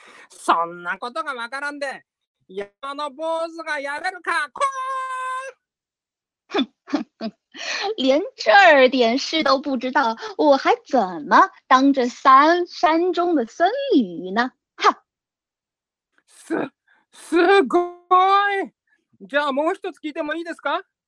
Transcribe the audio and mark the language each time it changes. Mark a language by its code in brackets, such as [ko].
[ja] そんなことがわからんで、山の坊主がやれるか、こー！ [zh] 连这点事都不知道，我还怎么当着山中的僧侣呢？哈！ [ja] すごい。じゃあもう一つ聞いてもいいですか？